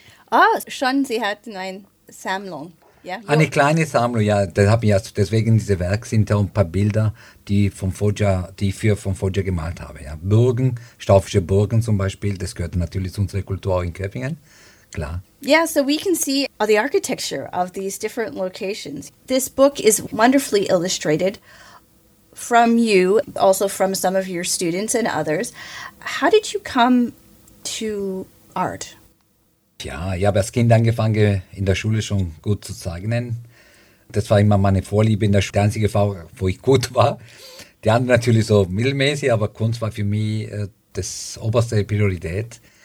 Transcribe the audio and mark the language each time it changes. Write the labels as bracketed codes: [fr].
[de] Ah, schon, Sie hatten eine Sammlung. Ja, eine kleine Sammlung, ja, das habe ich also deswegen diese Werke sind da ein paar Bilder, die von Foggia, die ich für von Foggia gemalt habe. Ja. Burgen, staufische Burgen zum Beispiel, das gehört natürlich zu unserer Kultur auch in Köppingen, klar. [en] Yeah, so we can see the architecture of these different locations. This book is wonderfully illustrated from you, also from some of your students and others. How did you come to art? [de] Ja, ich habe als Kind angefangen, in der Schule schon gut zu zeichnen. Das war immer meine Vorliebe in der Schule, die einzige Frage, wo ich gut war. Die anderen natürlich so mittelmäßig, aber Kunst war für mich das oberste Priorität.